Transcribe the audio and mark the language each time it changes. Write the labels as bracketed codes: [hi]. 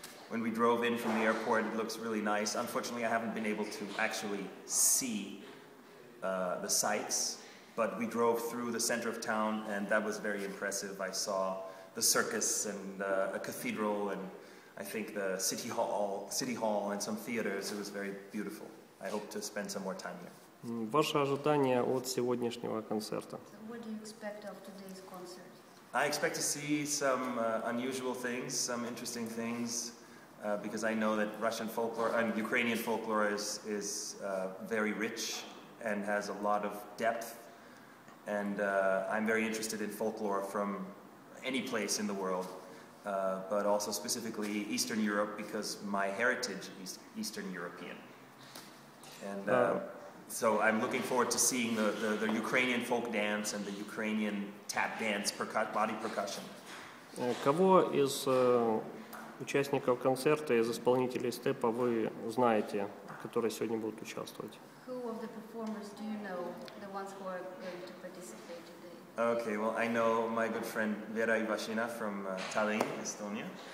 [en] when we drove in from the airport, it looks really nice. Unfortunately, I haven't been able to actually see the sights, but we drove through the center of town, and that was very impressive. I saw the circus and a cathedral, and I think the city hall and some theaters. It was very beautiful. I hope to spend some more time here. [ru] Ваши ожидания от сегодняшнего концерта? [en] What do you expect of today's concert? I expect to see some unusual things, some interesting things, because I know that Russian folklore and Ukrainian folklore is very rich and has a lot of depth. And I'm very interested in folklore from any place in the world, but also specifically Eastern Europe, because my heritage is Eastern European. And so I'm looking forward to seeing the Ukrainian folk dance and the Ukrainian tap dance, body percussion. [ru] Кого из участников концерта, из исполнителей степа вы знаете, которые сегодня будут участвовать? [en] Who of the performers do you know, the ones who are going to participate today? Okay, well, I know my good friend Vera Ivashina from Tallinn, Estonia.